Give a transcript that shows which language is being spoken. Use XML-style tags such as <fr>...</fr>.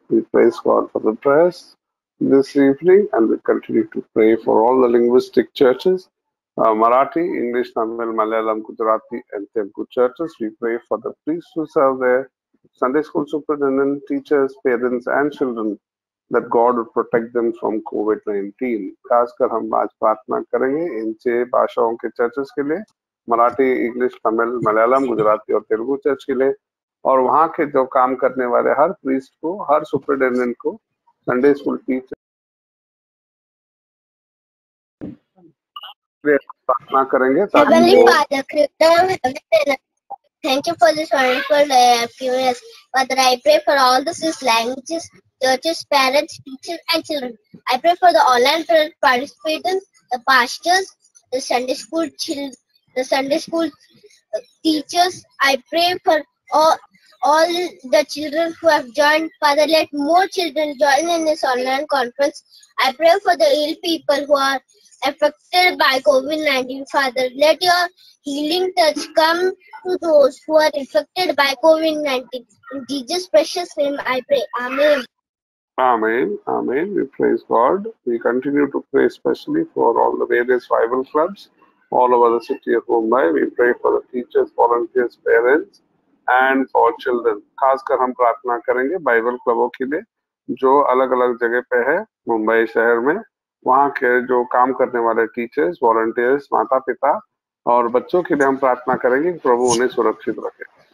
<en>We praise God for the prayers this evening, and we continue to pray for all the linguistic churches, Marathi, English, Tamil, Malayalam, Gujarati, and Telugu churches. We pray for the priests who serve there, Sunday school superintendent, teachers, parents, and children, that God would protect them from COVID-19.</en> <hi>खासकर हम आज प्रार्थना करेंगे इनसे भाषाओं के churches के लिए, मराठी, इंग्लिश, तमिल, मलयालम, गुजराती और तेलुगु चर्च के लिए, और वहाँ के जो काम करने वाले हर प्रीस्ट को, हर सुपरिटेंडेंट को, संडे स्कूल टीचर के लिए प्रार्थना करेंगे.</hi> <en>Thank you for this wonderful experience. Father, I pray for all the six languages, churches, parents, teachers, and children. I pray for the online participants, the pastors, the Sunday school children, the Sunday school teachers. I pray for all the children who have joined. Father, let more children join in this online conference. I pray for the ill people who are affected by COVID-19. Father, let your healing touch come to those who are affected by COVID-19. In Jesus' precious name I pray. Amen. Amen. Amen. We praise God. We continue to pray especially for all the various rival clubs all over the city of Mumbai. We pray for the teachers, volunteers, parents, and for children.</en> <hi>खासकर हम प्रार्थना करेंगे Bible क्लबों के लिए जो अलग अलग जगह पे है मुंबई शहर में, वहाँ के जो काम करने वाले टीचर्स, वॉलंटियर्स, माता पिता और बच्चों के लिए हम प्रार्थना करेंगे कि प्रभु उन्हें सुरक्षित रखे।</hi>